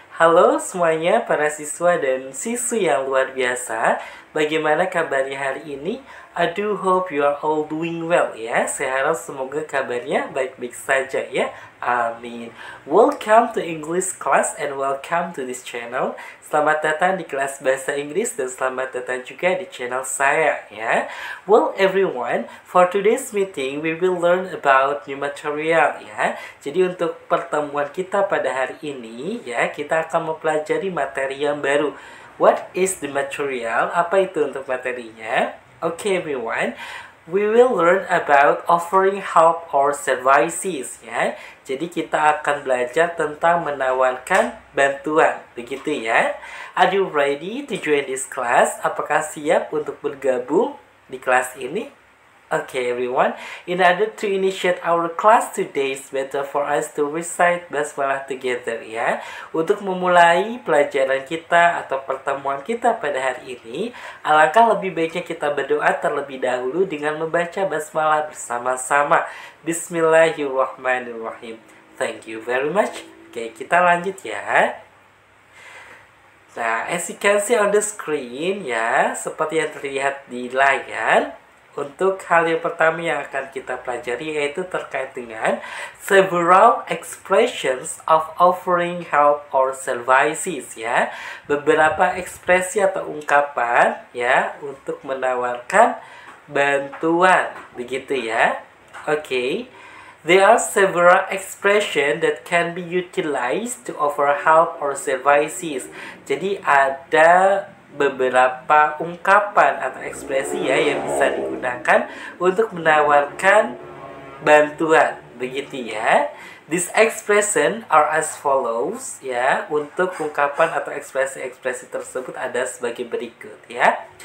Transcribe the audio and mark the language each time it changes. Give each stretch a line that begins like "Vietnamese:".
Indonesian: Halo semuanya para siswa dan siswi yang luar biasa. Bagaimana kabarnya hari ini?
English: I do hope you are all doing well ya.
Indonesian: Saya harap semoga kabarnya baik-baik saja ya. Amin.
English: Welcome to English class and welcome to this channel.
Indonesian: Selamat datang di kelas bahasa Inggris dan selamat datang juga di channel saya ya.
English: Well everyone, for today's meeting we will learn about new material ya.
Indonesian: Jadi untuk pertemuan kita pada hari ini ya, kita akan mempelajari materi yang baru.
English: What is the material?
Indonesian: Apa itu untuk materinya?
English: Okay everyone, we will learn about offering help or services ya.
Indonesian: Jadi kita akan belajar tentang menawarkan bantuan, begitu ya.
English: Are you ready to join this class?
Indonesian: Apakah siap untuk bergabung di kelas ini?
English: Okay everyone, in order to initiate our class today, it's better for us to recite basmalah together ya.
Indonesian: Untuk memulai pelajaran kita atau pertemuan kita pada hari ini, alangkah lebih baiknya kita berdoa terlebih dahulu dengan membaca basmalah bersama-sama.
English: Bismillahirrahmanirrahim. Thank you very much. Okay,
Indonesian: kita lanjut ya. Nah,
English: as you can see on the screen
Indonesian: ya, seperti yang terlihat di layar, untuk hal yang pertama yang akan kita pelajari yaitu terkait dengan
English: several expressions of offering help or services
Indonesian: ya. Beberapa ekspresi atau ungkapan ya untuk menawarkan bantuan, begitu ya.
English: Okay. There are several expressions that can be utilized to offer help or services.
Indonesian: Jadi ada beberapa ungkapan atau ekspresi ya yang bisa digunakan untuk menawarkan bantuan, begitu ya.
English: This expression are as follows
Indonesian: ya. Untuk ungkapan atau ekspresi-ekspresi tersebut ada sebagai berikut ya.